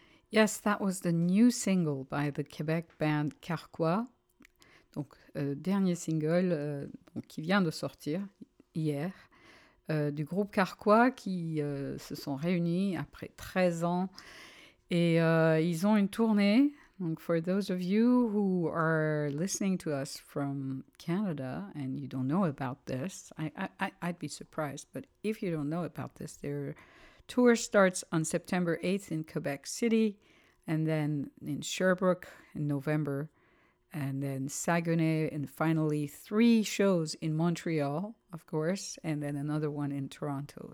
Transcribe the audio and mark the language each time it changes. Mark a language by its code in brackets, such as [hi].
[en] Yes, that was the new single by the Quebec band Carquois. [fr] Donc, dernier single qui vient de sortir hier du groupe Carquois qui se sont réunis après 13 ans et ils ont une tournée. [en] Donc, for those of you who are listening to us from Canada and you don't know about this, I'd be surprised, but if you don't know about this, they're tour starts on September 8th in Quebec City, and then in Sherbrooke in November, and then Saguenay, and finally three shows in Montreal, of course, and then another one in Toronto.